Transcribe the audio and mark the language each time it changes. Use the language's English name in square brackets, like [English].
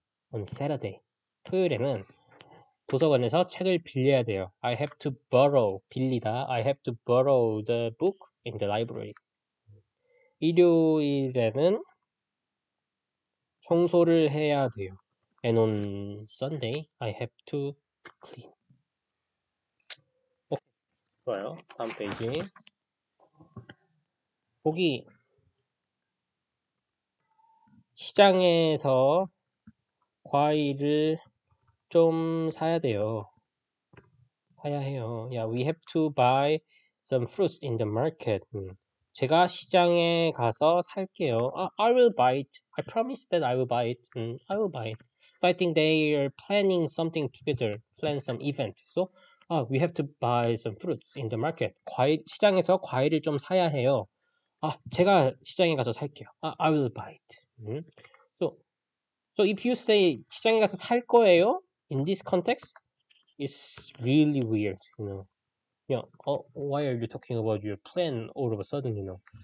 [Korean] On 세러데이. 토요일에는 도서관에서 책을 빌려야 돼요. [English] I have to borrow. 빌리다. I have to borrow the book in the library. [Korean] 일요일에는 청소를 해야 돼요. [English] And on Sunday, I have to clean. [Korean] 좋아요. 다음 페이지. 고기 시장에서 과일을 좀 사야 돼요. 사야 해요. [English] Yeah, we have to buy some fruits in the market. [Korean] 제가 시장에 가서 살게요. [English] I will buy it. I promise that I will buy it. I will buy it. So I think they are planning something together. Plan some event. So, we have to buy some fruits in the market. [Korean] 과일, 시장에서 과일을 좀 사야 해요. 제가 시장에 가서 살게요. [English] I will buy it. So if you say [Korean] 시장에 가서 살 거예요, [English] in this context, it's really weird, you know. Yeah, why are you talking about your plan all of a sudden, you know?